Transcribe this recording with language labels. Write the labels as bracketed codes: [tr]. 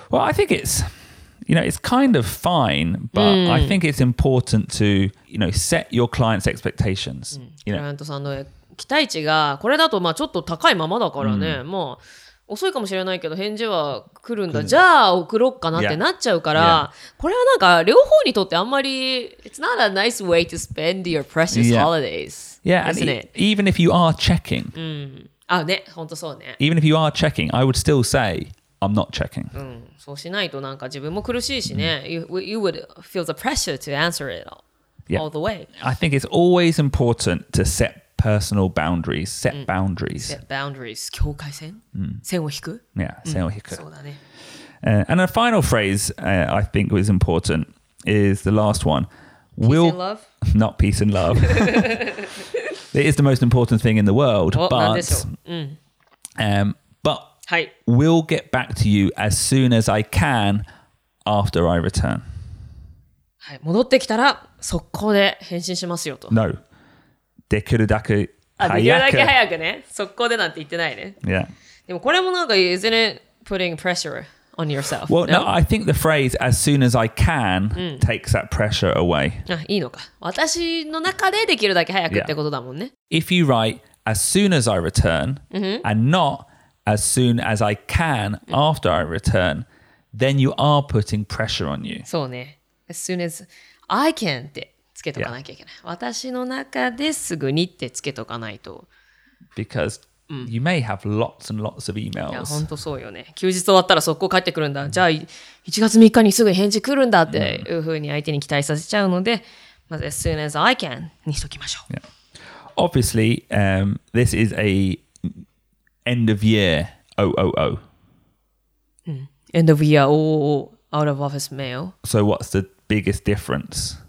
[en] Well, I think it's, you know, it's kind of fine, but、うん、I think it's important to, you know, set your client's expectations. [ja] クライアントさんの期待値がこれだとまあちょっと高いままだからね、うん、もう。遅いかもしれないけど返事は来るんだ、じゃあ送ろっかなってなっちゃうから、yeah. [en] Yeah. [ja] これはなんか両方にとってあんまり [en] It's not a nice way to spend your precious holidays. Yeah, yeah. Isn't it? Even if you are checking、 [ja] うん、あ、ね、本当そうね。 [en] Even if you are checking, I would still say I'm not checking、 [ja] うん、そうしないとなんか自分も苦しいしね、mm. [en] you would feel the pressure to answer it all the way. I think it's always important to setpersonal boundaries, set boundaries.、 [ja] うん、 [en] set boundaries, [ja] 境界線、うん、線を引く Yeah, 線を引く、うん、そうだね、 [en] And a final phrase、I think was important is the last one. Peace、we'll... and love? Not peace and love. It is the most important thing in the world, but,、うん but、はい、 we'll get back to you as soon as I can after I return.、 [ja] はい、戻ってきたら速攻で返信しますよと No. できるだけ早く。できるだけ早くね。速攻でなんて言ってないね。 [en] Yeah. [ja] でもこれもなんか、 [en] isn't it putting pressure on yourself? Well, no, I think the phrase, as soon as I can,、うん、takes that pressure away. [ja] あ、いいのか。私の中でできるだけ早くってことだもんね。 [en] Yeah. If you write, as soon as I return,、 mm-hmm. and not, as soon as I can after I return, then you are putting pressure on you. [ja] そうね。 [en] As soon as I can って。 [ja] つけとかなきゃいけない。 [en] Yeah. [ja] 私の中ですぐにってつけとかないと。 [en] Because、うん、you may have lots and lots of emails. [ja] いや、本当そうよね。休日終わったら速攻帰ってくるんだ。じゃあ1月3日にすぐ返事来るんだっていうふうに相手に期待させちゃうので、まず [en] as soon as I can [ja] にしときましょう。 [en] Yeah. Obviously,、this is a end of year 000.、うん、end of year 000 out of office mail. So what's the biggest difference?